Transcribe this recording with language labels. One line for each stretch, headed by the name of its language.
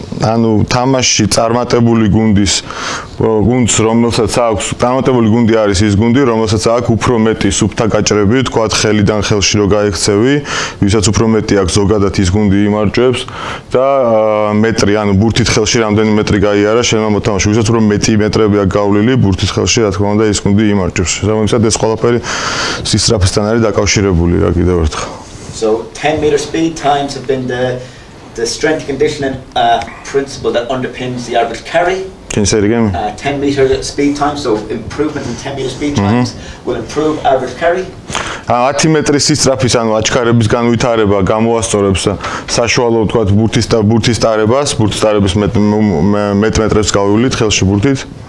Georgian: ანუ თამაში წარმატებული გუნდის გუნდს რომელსაც აქვს წარმატებული გუნდი არის ის გუნდი რომელსაც აქვს უფრო მეტი სუფთა გაჭრები თქვათ ხელიდან ხელში რო გაიქცევი ვისაც უფრო მეტი აქვს ზოგადად ის გუნდი იმარჯვებს და მეტრი ანუ ბურთით ხელში რამდენი მეტრი გაიარა შენმა მოთამაშე ვისაც უფრო მეტი მეტრები აქვს გავლილი ბურთით ხელში რა თქმა უნდა ის გუნდი იმარჯვებს ზოგადად ეს ყველაფერი სისწრაფესთან არის დაკავშირებული რა კიდევ ერთხელ
English: So 10 meter speed times have been the strength conditioning principle that underpins the average carry. Can you say it again? 10 meter speed time, so improvement in 10 meter speed times will improve average carry.
Georgian: 10 მეტრის სისწრაფის ანუ აჩქარების განვითარება გამოასწორებს საშუალო ვთქვათ ბურთის და ბურთის ტარებას, ბურთის ტარების მეტ მეტრებს გავივლით ხელში ბურთით.